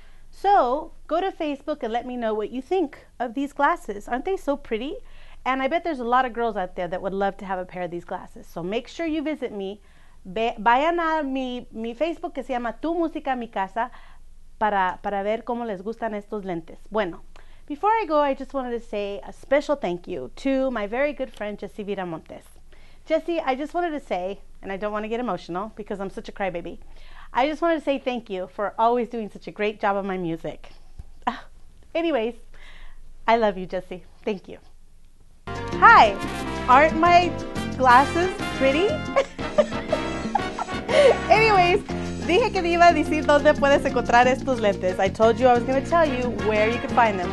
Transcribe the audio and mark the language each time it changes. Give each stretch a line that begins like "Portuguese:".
English: So, go to Facebook and let me know what you think of these glasses. Aren't they so pretty? And I bet there's a lot of girls out there that would love to have a pair of these glasses. So make sure you visit me.
Spanish: Vayan a mi Facebook que se llama Tu Música Mi Casa para ver cómo les gustan estos lentes. Bueno,
English: before I go, I just wanted to say a special thank you to my very good friend, Jessie Vira Montes. Jessie, I just wanted to say, and I don't want to get emotional because I'm such a crybaby, I just wanted to say thank you for always doing such a great job on my music. Anyways, I love you, Jessie. Thank you. Hi, aren't my glasses pretty?
Spanish: Anyways, dije que iba a decir dónde puedes encontrar estos lentes.
English: I told you I was going to tell you where you can find them.